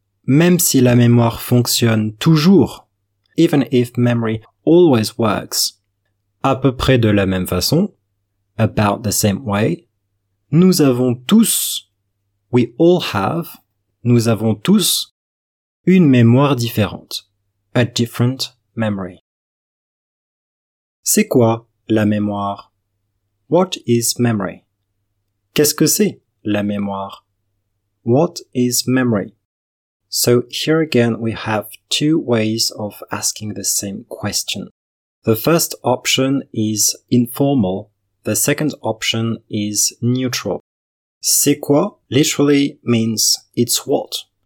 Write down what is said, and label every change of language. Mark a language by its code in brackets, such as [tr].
[fr] même si la mémoire fonctionne toujours, [en] even if memory always works, [fr] à peu près de la même façon, [en] about the same way, [fr] nous avons tous, [en] we all have, [fr] nous avons tous une mémoire différente, [en] a different memory. [fr] C'est quoi la mémoire? [en] What is memory? [fr] Qu'est-ce que c'est la mémoire? [en] What is memory? So here again we have two ways of asking the same question. The first option is informal, the second option is neutral. [fr] C'est quoi [en] literally means it's what.